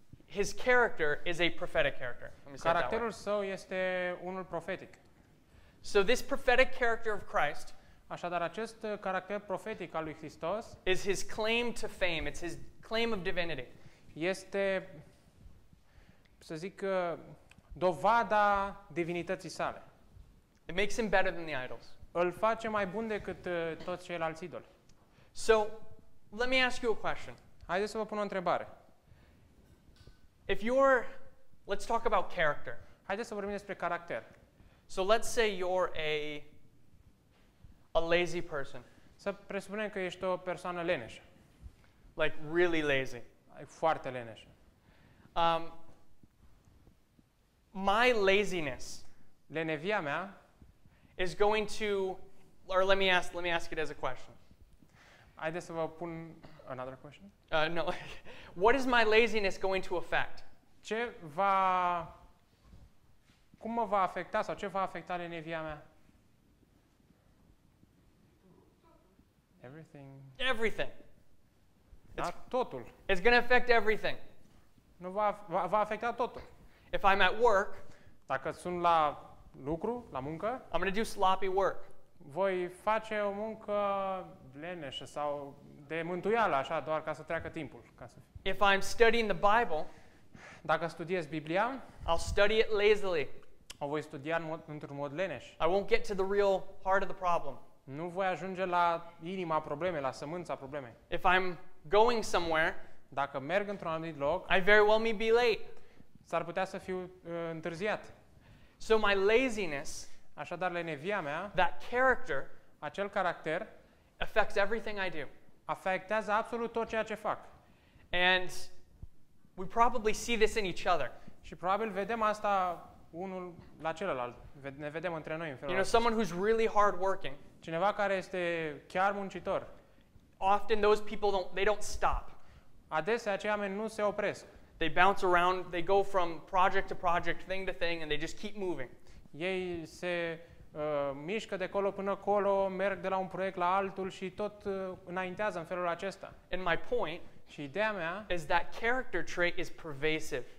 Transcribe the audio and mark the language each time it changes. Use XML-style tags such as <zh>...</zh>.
<en>His character is a prophetic character.</en> <ro>Caracterul său este unul profetic.</ro> <en>So this prophetic character of Christ,</en> <ro>așadar acest caracter profetic al lui Hristos,</ro> <en>is his claim to fame, it's his claim of divinity.</en> <ro>Este, să zic, dovada divinității sale.</ro> <en>It makes him better than the idols.</en> <ro>Îl face mai bun decât toți ceilalți idoli.</ro> <en>So, let me ask you a question.</en> <ro>Haideți să vă pun o întrebare.</ro> <en>If you're, let's talk about character.</en> <ro>Haideți să vorbim despre caracter.</ro> <en>So let's say you're a lazy person.</en> <ro>Să presupunem că ești o persoană leneșă.</ro> <en>Like really lazy.</en> <ro>Foarte leneșă.</ro> <en>My laziness,</en> <ro>lenevia mea,</ro> <en>is going to, or let me ask it as a question.</en> <ro>Haideți să vă pun</ro> <en>another question. No. What is my laziness going to affect?</en> <ro>Ce va, cum mă va afecta sau ce va afecta lenevia mea?</ro> <en>Everything. Everything.</en> <ro>Dar totul.</ro> <en>It's going to affect everything.</en> <ro>Nu va afecta totul.</ro> <en>If I'm at work,</en> <ro>dacă sunt la lucru, la muncă,</ro> <en>I'm going to do sloppy work.</en> <ro>Voi face o muncă leneșă sau de mântuială, așa, doar ca să treacă timpul.</ro> <en>If I'm studying the Bible,</en> <ro>dacă studiez Biblia,</ro> <en>I'll study it lazily.</en> <ro>O voi studia într-un mod leneș.</ro> <en>I won't get to the real heart of the problem.</en> <ro>Nu voi ajunge la inima problemei, la sămânța problemei.</ro> <en>If I'm going somewhere,</en> <ro>dacă merg într-un anumit loc,</ro> <en>I very well may be late.</en> <ro>S-ar putea să fiu întârziat.</ro> <en>So my laziness,</en> <ro>așadar lenevia mea,</ro> <en>that character,</en> <ro>acel caracter,</ro> <en>affects everything I do.</en> <ro>Afectează absolut tot ceea ce fac.</ro> <en>And we probably see this in each other.</en> <ro>Și probabil vedem asta unul la celălalt. Ne vedem între noi în felul ăsta.</ro> <en>You know, someone who's really hard working.</en> <ro>Cineva care este chiar muncitor.</ro> <en>Often those people don't stop.</en> <ro>Adesea acei oameni nu se opresc.</ro> <en>They bounce around, they go from project to project, thing to thing, and they just keep moving.</en> <ro>Ei se mișcă de colo până colo, merg de la un proiect la altul și tot înaintează în felul acesta.</ro> <en>And my point</en> <ro>și ideea mea</ro> <en>is that character trait is pervasive.</en>